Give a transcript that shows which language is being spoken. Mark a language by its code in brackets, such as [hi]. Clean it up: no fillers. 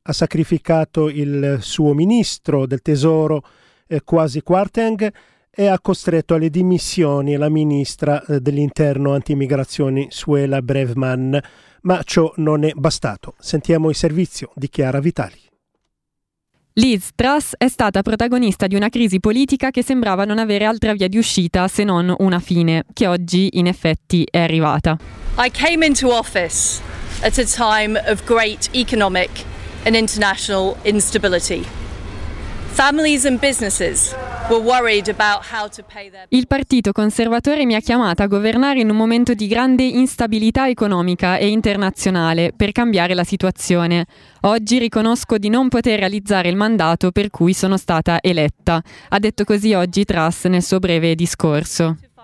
[it] Ha sacrificato il suo ministro del tesoro, Kwasi Kwarteng, e ha costretto alle dimissioni la ministra dell'interno anti-immigrazione, Suella Braverman. Ma ciò non è bastato. Sentiamo il servizio di Chiara Vitali. Liz Truss è stata protagonista di una crisi politica che sembrava non avere altra via di uscita se non una fine, che oggi in effetti è arrivata. [en] I came into office at a time of great economic and international instability. Families and businesses were worried about how to pay their... [it] Il Partito Conservatore mi ha chiamata a governare in un momento di grande instabilità economica e internazionale per cambiare la situazione. Oggi riconosco di non poter realizzare il mandato per cui sono stata eletta, ha detto così oggi Truss nel suo breve discorso.